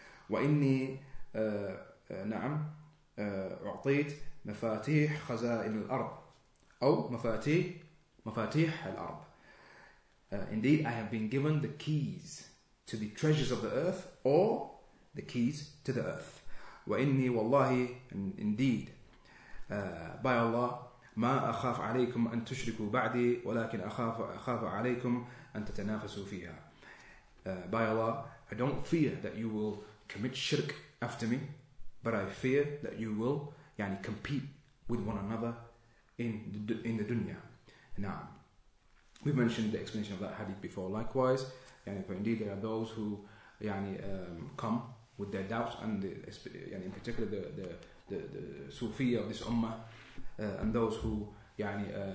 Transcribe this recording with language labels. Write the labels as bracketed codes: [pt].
[ar] وإني نعم أعطيت مفاتيح خزائن الأرض أو مفاتيح الأرض. [en] Indeed, I have been given the keys to the treasures of the earth or the keys to the earth. [ar] وإني والله, [en] and indeed, by Allah, [ar] ما أخاف عليكم أن تشركوا بعدي ولكن أخاف عليكم أن تتنافسوا فيها. [en] By Allah, I don't fear that you will commit shirk after me, but I fear that you will يعني compete with one another in the dunya. Now, we've mentioned the explanation of that hadith before. Likewise, يعني, for indeed there are those who يعني, come with their doubts, and the, يعني, in particular the Sufi of this ummah, and those who يعني,